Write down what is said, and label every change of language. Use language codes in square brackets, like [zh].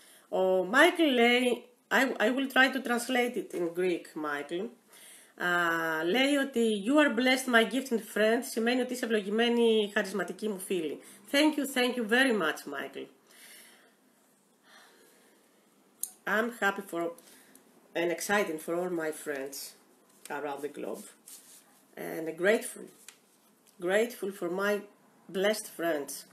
[el] Ο Michael λέει, [en] I will try to translate it in Greek, Michael. [el] Λέει ότι [en] you are blessed, my gifted friend, [el] σημαίνει ότι είσαι ευλογημένη, χαρισματική μου φίλη. [en] Thank you very much, Michael. I'm happy for and excited for all my friends around the globe. And grateful for my blessed friends.